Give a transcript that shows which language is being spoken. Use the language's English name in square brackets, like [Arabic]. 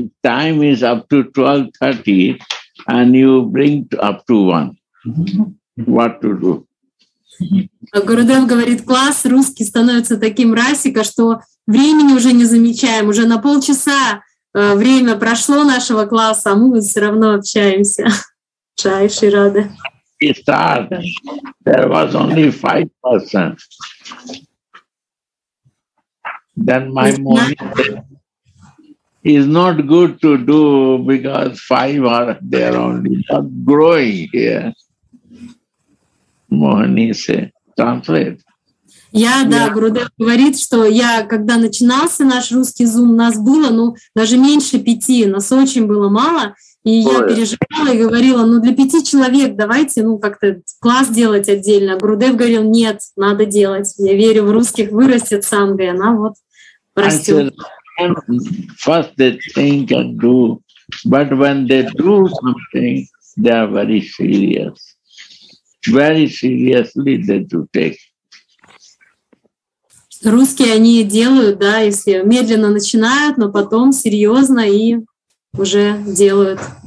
[English] Time is up to 12:30 and you bring up to 1. What to do? [Russian] Gurudev говорит, класс русский становится таким расика, что времени уже не замечаем, уже на полчаса время прошло нашего класса, а мы все равно общаемся. Чай, Ширада. [English] We start. There was only 5%. Then my morning is not good to do because 5 are there only. Not growing here. Mohini said, translate. [Russian] Я, да, yeah. Гурудев говорит, что я, когда начинался наш русский зум, нас было, ну, даже меньше 5, нас очень было мало, и я переживала и говорила, ну, для 5 человек давайте, ну, как-то класс делать отдельно. Гурудев говорил, нет, надо делать, я верю в русских, вырастет санга, она вот растет. [English] Said, first they think and do, but when they do something, they are very serious. Very seriously they do take. [Russian] Русские они делают, да, если медленно начинают, но потом серьезно и уже делают.